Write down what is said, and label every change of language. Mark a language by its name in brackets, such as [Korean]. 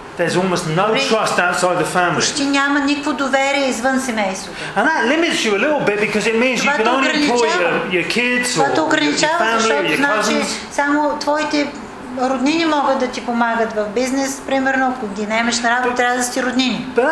[English] There's almost no trust outside the family. [Bulgarian] Почти няма никакво доверие извън семейството. [English] And that limits you a little bit because it means you can only employ your kids or your family or your cousins. [Bulgarian] Само твоите роднини могат да ти помагат в бизнес, примерно, ако ги нямаш на работа, трябва да си роднини.